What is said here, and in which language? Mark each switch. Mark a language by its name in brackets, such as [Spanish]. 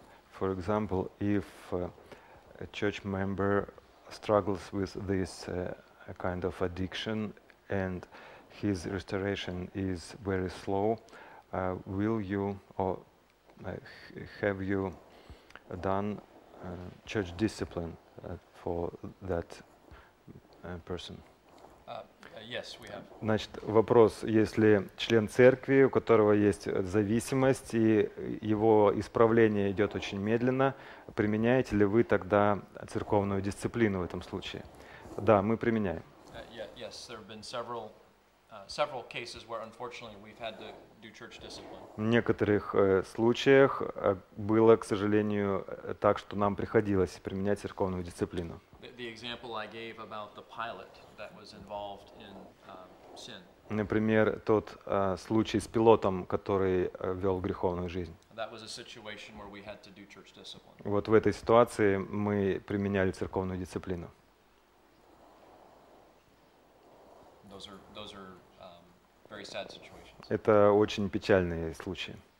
[English] For example, if a church member struggles with this a kind of addiction and his restoration is very slow, will you or have you done church discipline for that person? Yes, we have. [Russian] Значит, вопрос, если член церкви, у которого есть зависимость, и его исправление идет очень медленно, применяете ли вы тогда церковную дисциплину в этом случае? Да, мы применяем. [English] Yes, there have been several cases where, unfortunately, we've had to do church discipline. [Russian] В некоторых случаях было, к сожалению, так, что нам приходилось применять церковную дисциплину. [English] The example I gave about the pilot that was involved in sin. [Russian] Например, тот случай с пилотом, который вел греховную жизнь. [English] That was a situation where we had to do church discipline. [Russian] Вот в этой ситуации мы применяли церковную дисциплину. [English] Those are very sad situations. [Russian] Это очень печальные случаи.